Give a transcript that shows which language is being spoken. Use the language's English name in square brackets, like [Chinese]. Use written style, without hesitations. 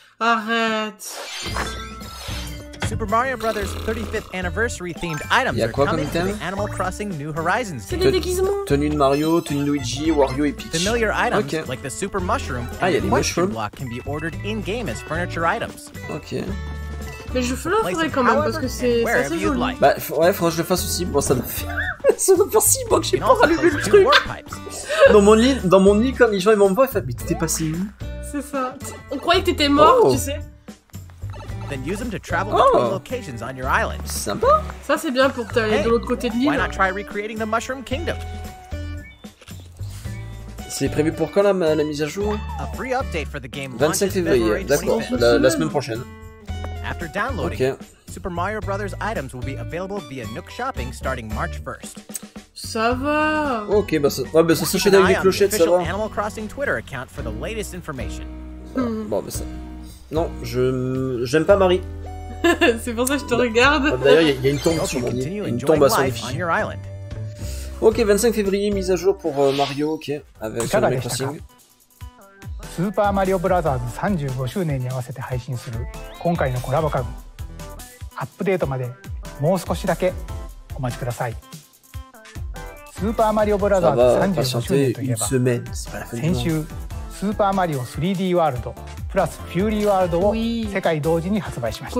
[French] Arrête. [English] Super Mario Brothers 35th anniversary themed items are coming to the Animal Crossing New Horizons. [French] C'est des déguisements. Tenue de Mario, tenue de Luigi, Wario et Peach. [English] Familiar items okay. Like the Super Mushroom and the Mushroom Block can be ordered in game as furniture items. [French] Ok. Mais je le ferai quand même parce que c'est assez joli. Bah ouais, faudrait que je le fasse aussi. Bon, ça doit faire 6 mois que j'ai pas rallumé le truc. dans mon lit, comme les gens ils vont me voir, ils font mais t'es passé où? C'est ça. On croyait que t'étais mort, tu sais. [English] Then use them to travel to new locations on your island. [French] Sympa. Ça c'est bien pour t'aller de l'autre côté de l'île. [English] Why not try recreating the Mushroom Kingdom? [French] C'est prévu pour quand la mise à jour? [English] A free update for the game. [French] 25 février, d'accord. La semaine prochaine. [English] After downloading, Super Mario Bros. Items will be available via Nook Shopping starting March 1st. [French] Ça va. Ok, bah ça, ouais, bah ça s'achète avec des clochettes, ça va. [English] Animal Crossing Twitter account for the latest information. [French] Bon, bah ça... Non, je... J'aime pas Marie. C'est pour ça que je te regarde. D'ailleurs, il y a une tombe sur mon île. Une tombe à son vie. Ok, 25 février, mise à jour pour Mario, ok. Avec Animal Crossing. [English] Super Mario Bros. [Japanese] 35周年 に合わせて配信する今回のコラボ家具アップデートまでもう少しだけお待ちください。スーパーマリオブラザーズ35周年といえば、先週スーパーマリオ 3D ワールドプラスフューリーワールドを世界同時に発売しました。